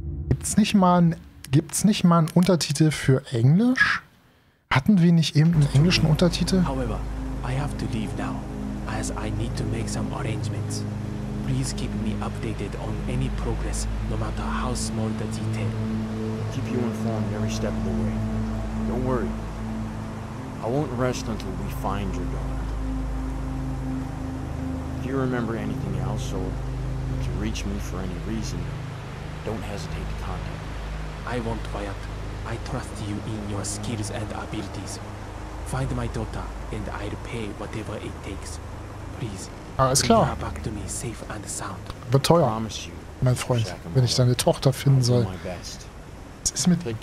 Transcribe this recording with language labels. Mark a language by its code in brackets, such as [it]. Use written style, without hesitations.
[de] Gibt's nicht mal ein, einen Untertitel für Englisch? Hatten wir nicht eben einen englischen Untertitel? [en] However, I have to leave now, as I need to make some arrangements. Please keep me updated on any progress, no matter how small the detail. Keep you informed every step of the way. Don't worry. I won't rest until we find your daughter. If you remember anything else, or if you reach me for any reason, don't hesitate to contact me. I won't, Wyatt. I trust you in your skills and abilities. Find my daughter, and I'll pay whatever it takes. Please, [de] alles klar. [en] Bring her back to me safe and sound. [de] Wird teuer, mein Freund, wenn ich deine Tochter finden soll. Es ist mit...